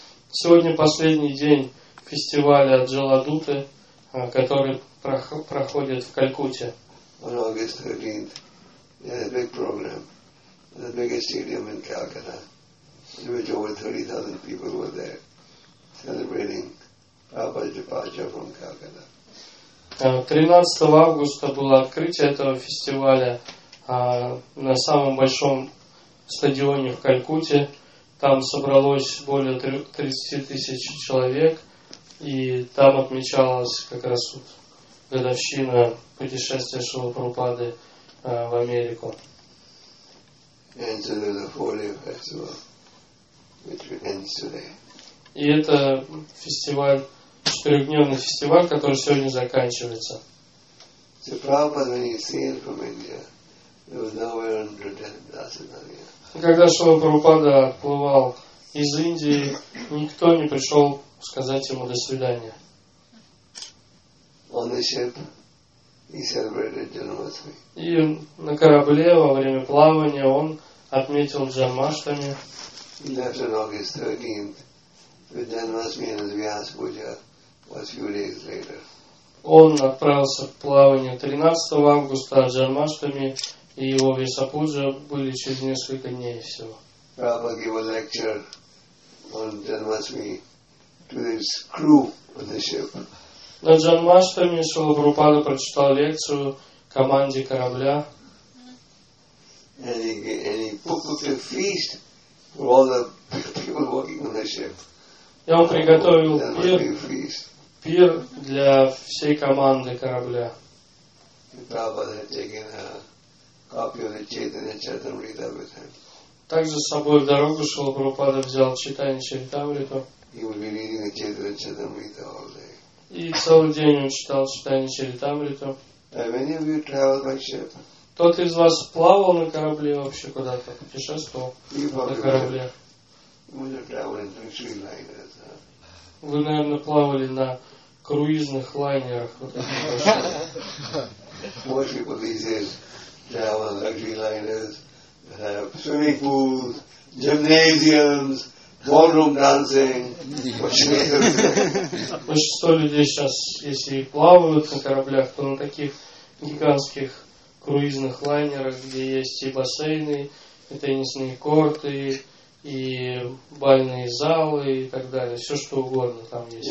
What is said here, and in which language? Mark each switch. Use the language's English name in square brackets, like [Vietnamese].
[Russian] Сегодня последний день фестиваля Джаладуты, который проходит в Калькутте. [English] On August 13th, they had a big program. The biggest stadium in Calcutta, in which over 30,000 people were there, celebrating Prabhupada's departure from Calcutta. [Russian] 13 августа было открытие этого фестиваля на самом большом стадионе в Калькутте. Там собралось более 30 тысяч человек, и там отмечалась как раз вот годовщина путешествия Шрилы Прабхупады в Америку. [English] And so there was a four-day festival which ends today. [Russian] И это фестиваль, четырехдневный фестиваль, который сегодня заканчивается. [English] So Prabhupada, when he sailed from India, there was nowhere under 10,000 Narayana. [Russian] Когда Шрила Прабхупада отплывал из Индии, никто не пришел сказать ему до свидания. [English] On the ship, he celebrated Janmashtami. [Russian] И на корабле во время плавания он отметил Джанмаштами. [English] He left on August 13th with Janmashtami and his Vyas Puja was a few days later. [Russian] Он отправился в плавание 13 августа с Джанмаштами. И его Весапуджа были через несколько дней всего. [English] Prabhupada gave a lecture on Janmashtami to his crew on the ship. [Russian] На Джанмаштами Шрила Прабхупада прочитал лекцию команде корабля. [English] And he cooked a feast for all the people working on the ship. [Russian] И он приготовил пир для всей команды корабля. [English] Prabhupada had taken a copy of the Chaitanya Charitamrita with him. [Russian] Также с собой в дорогу Шрила Прабхупада взял Чайтанья Чаритамриту. [English] He would be reading the Chaitanya Charitamrita all day. [Russian] И целый день он читал Чайтанья Чаритамриту. [English] Many of you travel by ship. [Russian] Тот из вас плавал на корабле вообще куда-то, путешествовал на корабле? [English] Would you travel in luxury liners, huh? [Russian] Вы, наверное, плавали на круизных лайнерах. [English] Most people these days travel luxury liners, swimming pools, gymnasiums, ballroom dancing. [Russian] Большинство людей сейчас, если и плавают на кораблях, то на таких гигантских круизных лайнерах, где есть и бассейны, и теннисные корты, и бальные залы, и так далее. Все что угодно там есть.